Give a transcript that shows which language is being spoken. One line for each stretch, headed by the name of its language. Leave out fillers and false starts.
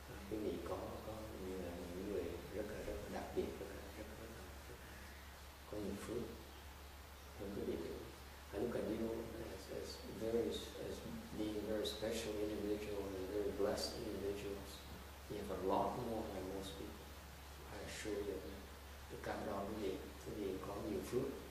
Vietnamese: Quý vị có như là những người rất là đặc biệt, rất là có nhiều phước hơn quý vị nữa.
English: Hãy look at you as being very special individual and very blessed individuals. You have a lot more than most people. I assure you.
Vietnamese: Tôi cảm động quý vị có nhiều phước,